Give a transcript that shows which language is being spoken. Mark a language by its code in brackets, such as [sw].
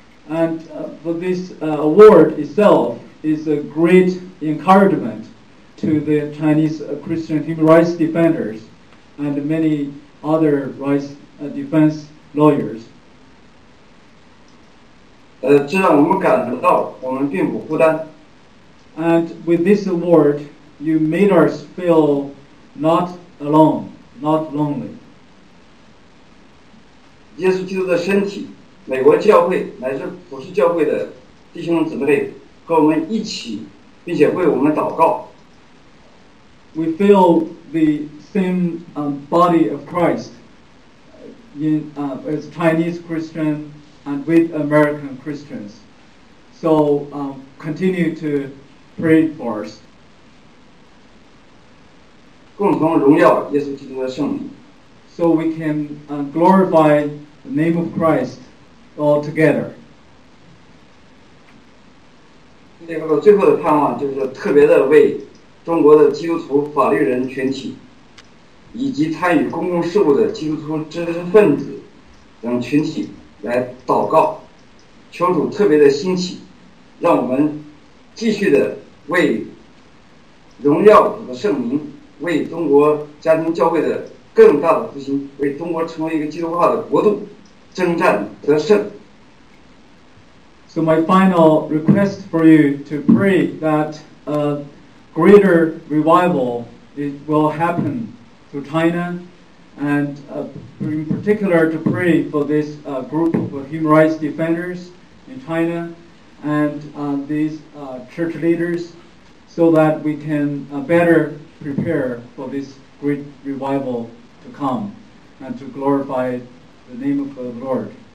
[en] And for this award itself, is a great encouragement to the Chinese Christian human rights defenders and many other rights defense lawyers. [zh] 这让我们感觉到我们并不孤单。 [en] And with this award, you made us feel not alone, not lonely. [zh] 耶稣基督的身体，美国教会乃至普世教会的弟兄姊妹和我们一起，并且为我们祷告。 [en] We feel the same body of Christ in, as Chinese Christian and with American Christians. So continue to pray for us. [zh] 共同荣耀耶稣基督的圣名。 [en] So we can glorify the name of Christ all together. [zh] 最后的最后的盼望就是特别的为中国的基督徒法律人群体以及参与公共事务的基督徒知识分子等群体来祷告，求主特别的兴起，让我们继续的为荣耀主的圣名，为中国家庭教会的更大的复兴，为中国成为一个基督化的国度征战得胜。 [en] So my final request for you to pray that a greater revival it will happen to China, and in particular to pray for this group of human rights defenders in China and these church leaders so that we can better prepare for this great revival to come and to glorify the name of the Lord.